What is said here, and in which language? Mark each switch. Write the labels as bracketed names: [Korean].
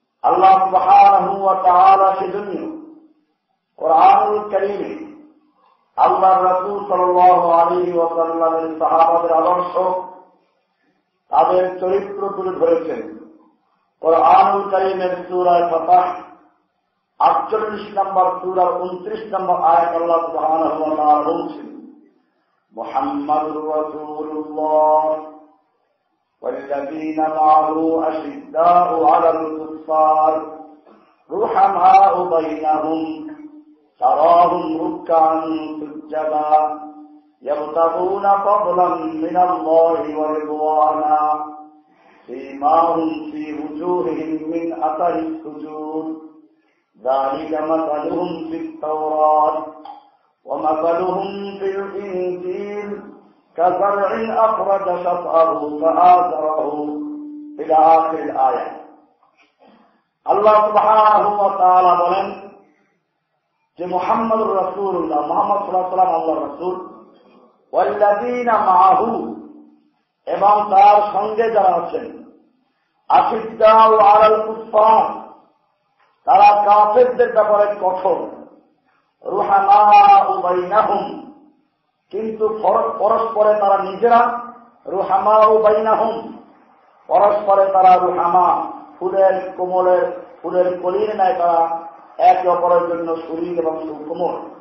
[Bangla] আল্লাহ সুবহানাহু ওয়া তাআলা সেজন্য কোরআনুল কারীমে আল্লাহ রাসূল সাল্লাল্লাহু আলাইহি ওয়াসাল্লামের সাহাবাদের আদর্শ, তাদের চরিত্র তুলে ধরেছেন কোরআনুল কারীমের সূরা ফাতহ 48 নম্বর সূরা 29 নম্বর আয়াত। [Arabic] আল্লাহ সুবহানাহু ওয়া তাআলা বলছেন, মুহাম্মাদুর রাসূলুল্লাহ ওয়াল্লাযীনা মা'হু আশিদ্দাউ আলাল কুফার রুহামাউ বাইনাহুম تراهم ركعا سجدا يبتغون فضلا من الله ورضوانا سيماهم في وجوههم من اثر السجود ذلك مثلهم في التوراة ومثلهم في الانجيل كزرع اخرج شطأه فآزره الى اخر الآية. الله سبحانه وتعالى بلن [Bangla] যে মুহাম্মদ রাসূলুল্লাহ মুহাম্মদ সাল্লাল্লাহু আলাইহি ওয়াসাল্লাম আল্লাহর রাসূল, [Arabic] ওয়াল্লাযীনা মাআহু [Bangla] এবং তার সঙ্গে যারা আছেন, [Arabic] আশিদ্দাউ আলাল কুফফার [Bangla] তারা কাফেরদের ব্যাপারে কঠোর, [Arabic] রুহামাউ বাইনাহুম [Bangla] কিন্তু পরস্পরে তারা নিজেরা রুহামাউ বাইনাহুম পরস্পরে তারা রুহামা ফুলের কোমলের ফুলের কলির ন্যায় তারা একে অপরের জন্য শরীর এবং সুকোমল।